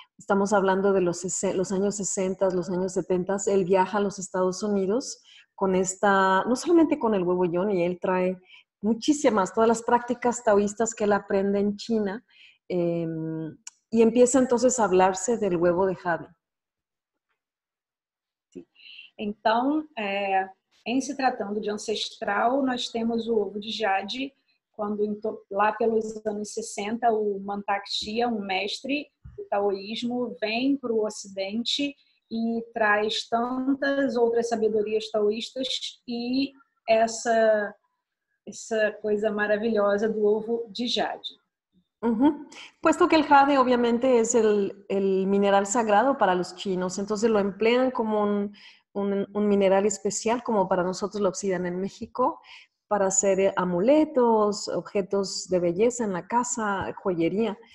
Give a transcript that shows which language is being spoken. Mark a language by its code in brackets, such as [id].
[es] Estamos hablando de los años 60, los años 70. Él viaja a los Estados Unidos con esta, no solamente con el huevo yoni, y él trae muchísimas, todas las prácticas taoístas que él aprende en China, y empieza entonces a hablarse del huevo de jade. [pt] Então, em se tratando de ancestral, nós temos o ovo de jade, quando lá pelos anos 60, o Mantak Chia, um mestre do taoísmo, vem para o Ocidente e traz tantas outras sabedorias taoístas e essa coisa maravilhosa do ovo de jade. Uhum. [es] Puesto que el jade obviamente es el mineral sagrado para los chinos, entonces lo emplean como un mineral especial, como para nosotros la obsidiana en México, para hacer amuletos, objetos de belleza en la casa, joyería.